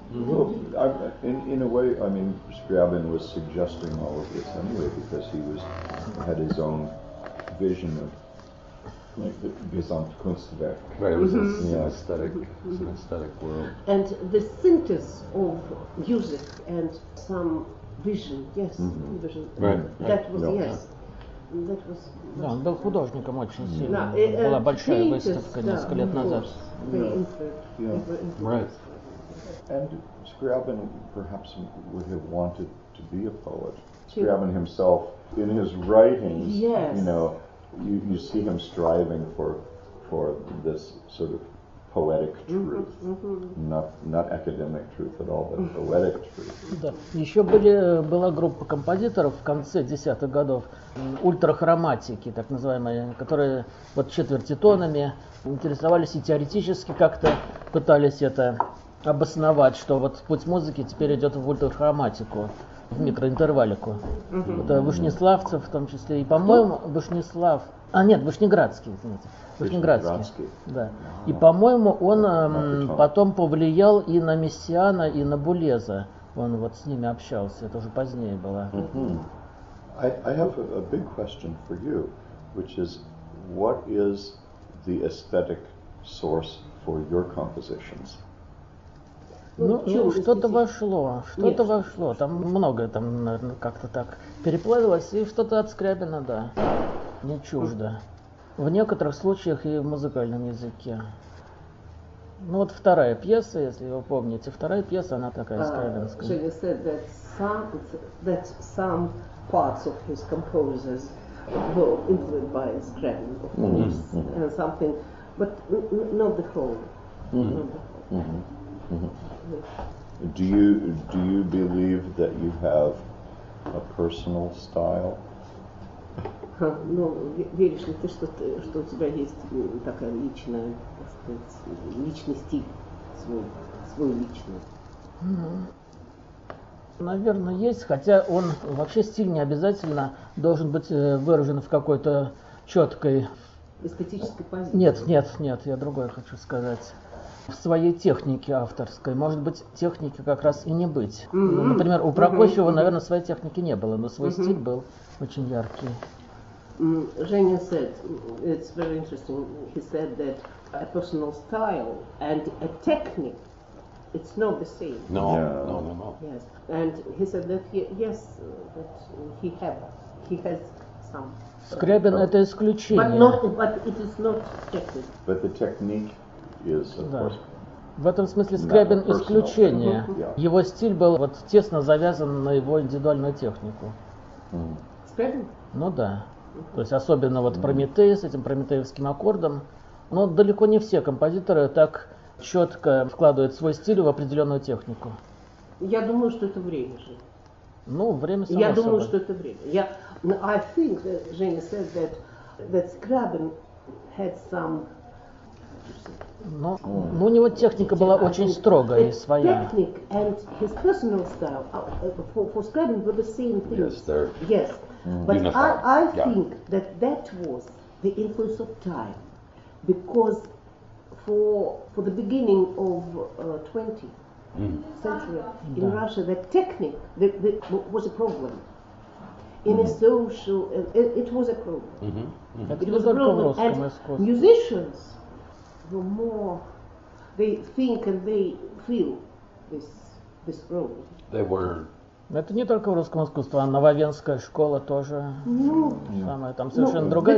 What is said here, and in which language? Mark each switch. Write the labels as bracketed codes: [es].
[en] Well, in a way, I mean, Scriabin was suggesting all of this anyway because he had his own vision of the Gesamtkunstwerk. Right, it was an aesthetic world. And the synthesis of music and some vision, [ru] Да, он был художником очень сильно. Была большая выставка несколько лет назад. [en] Right. And Scriabin perhaps would have wanted to be a poet. Scriabin himself, in his writings, you see him striving for this sort of poetic truth, not academic truth at all, but poetic truth. [ru] Да. Еще была группа композиторов в конце 10-х годов, ультрахроматики, так называемые, которые вот четвертитонами интересовались и теоретически как-то пытались это обосновать, что вот путь музыки теперь идет в ультрахроматику, в микроинтервалику. Это Вышнеславцев в том числе, и, по-моему, Вышнеслав... А, нет, Вышнеградский, извините. Вышнеградский. Да. И, по-моему, он потом повлиял и на Мессиана, и на Булеза. Он вот с ними общался, это уже позднее было. [en] I have a big question for you, which is, what is the aesthetic source for your compositions? [ru] Ну, что-то вошло, что-то вошло. Там многое там, наверное, как-то так переплавилось, и что-то от Скрябина, да. Не чуждо. В некоторых случаях и в музыкальном языке. Ну вот вторая пьеса, если вы помните, вторая пьеса, она такая скрябинская. [en] So you said that some parts of his composers were influenced by Scrabble, of course, and something, but not the whole. Mm-hmm. Do you believe that you have a personal style? [ru] Ну, веришь ли ты, что у тебя есть такая личная, так сказать, личный стиль свой личный? Наверное, есть, хотя он вообще стиль не обязательно должен быть выражен в какой-то четкой эстетической позиции. Нет, я другое хочу сказать. В своей технике авторской. Может быть, техники как раз и не быть. [en] Mm-hmm. [ru] Например, у Прокофьева, наверное, своей техники не было, но свой стиль был очень яркий. [en] Женя said, it's very interesting, he said that a personal style and a technique, it's not the same. No. Yes. And he said that he has some. [ru] Скрябин – это исключение. [en] But it is not technique. But the technique is, of course, [ru] в этом смысле Скрябин – исключение. [en] Yeah. [ru] Его стиль был вот тесно завязан на его индивидуальную технику. Скрябин? Ну да. То есть особенно вот Прометей с этим прометеевским аккордом. Но далеко не все композиторы так четко вкладывают свой стиль в определенную технику. Я думаю, что это время же. Ну, время само собой. Я думаю, что это время. [en] I think that Женя said that Scrabin had some... [ru] Но у него техника была очень строгая и своя. [en] Technique and his personal style for Scrabin were the same thing. Yes, sir. Yes. But I think that was the influence of time, because for the beginning of 20th century in Russia, the technique was a problem. In a social, it was a problem. It was a problem. And musicians were more, they think and they feel this problem. They were. [ru] Это не только в русском искусстве, а нововенская школа тоже. Самая там совершенно другая